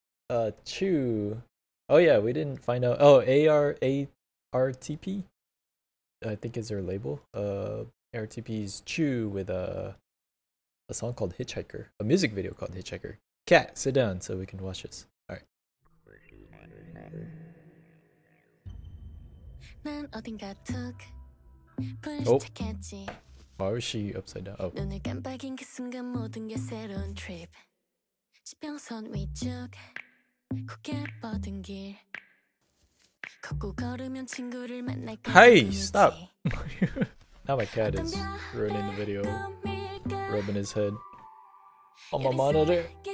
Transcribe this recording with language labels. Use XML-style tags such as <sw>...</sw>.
<en>Chuu. Oh yeah, we didn't find out. Oh, ARTP. I think is her label. ARTP's Chuu with a song called Hitchhiker, a music video called Hitchhiker. Cat, sit down so we can watch this. All right.</en> <ko>난 어딘가 툭 불시착했지.</ko> <en>Why was she upside down? Oh.</en> <ko>눈을 깜빡인 그 순간 모든 게 새로운 trip. 지평선 위쪽 굳게 뻗은 길. 걷고 걸으면 친구를 만날 거.</ko> <en>Hey, stop. Now my cat is ruining the video. Rubbing his head on my monitor.</en>